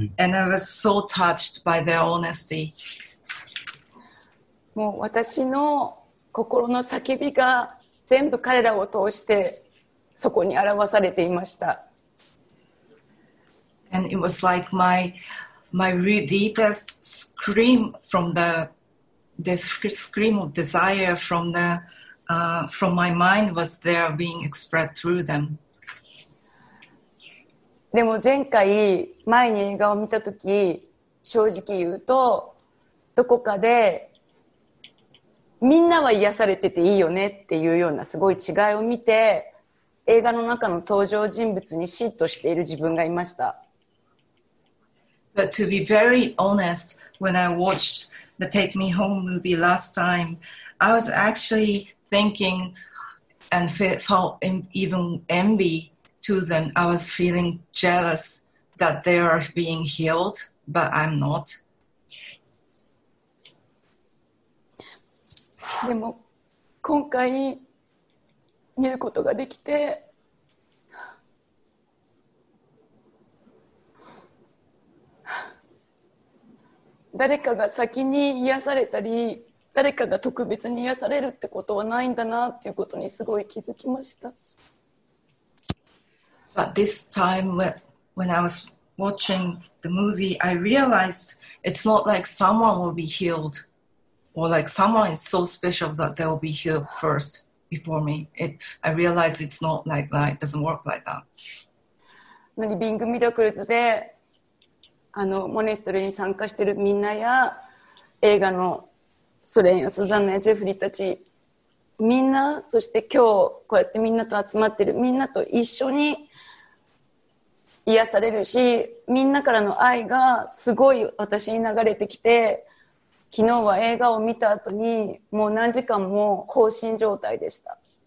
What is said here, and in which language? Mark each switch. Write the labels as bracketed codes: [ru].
[en] And I was so touched by their honesty. [ja] もう私の心の叫びが全部彼らを通してそこに表されていました。 [en] And it was like my my deepest scream from the scream of desire from my mind was there being expressed through them. [ja] でも前回前に映画を見たとき、正直言うとどこかでみんなは癒されてていいよねっていうようなすごい違いを見て、映画の中の登場人物に嫉妬している自分がいました。 [en] But to be very honest, when I watched the Take Me Home movie last time, I was actually thinking and felt even envy to them. I was feeling jealous that they are being healed, but I'm not. [ja] でも今回見ることができて、誰かが先に癒されたり、誰かが特別に癒されるってことはないんだなっていうことにすごい気づきました。 [en] But this time when I was watching the movie, I realized it's not like someone will be healed or like someone is so special that they will be healed first before me. I realized it's not like that. It doesn't work like that. [ja] リビングミラクルズでモネストリーに参加しているみんなや映画のソレンやスザンナやジェフリーたちみんな、そして今日こうやってみんなと集まっているみんなと一緒に癒されるし、みんなからの愛がすごい私に流れてきて、昨日は映画を見た後にもう何時間も放心状態でした。